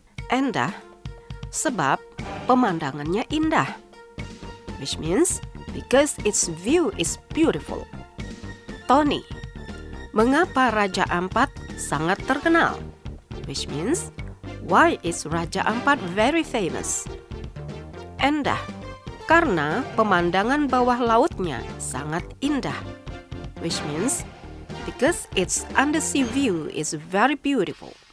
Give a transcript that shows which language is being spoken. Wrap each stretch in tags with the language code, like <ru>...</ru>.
<id>Enda, sebab pemandangannya indah.</id> <en>Which means, because its view is beautiful.</en> <id>Tony, mengapa Raja Ampat sangat terkenal?</id> <en>Which means, why is Raja Ampat very famous?</en> <id>Endah, karena pemandangan bawah lautnya sangat indah.</id> <en>Which means, because its undersea view is very beautiful.</en>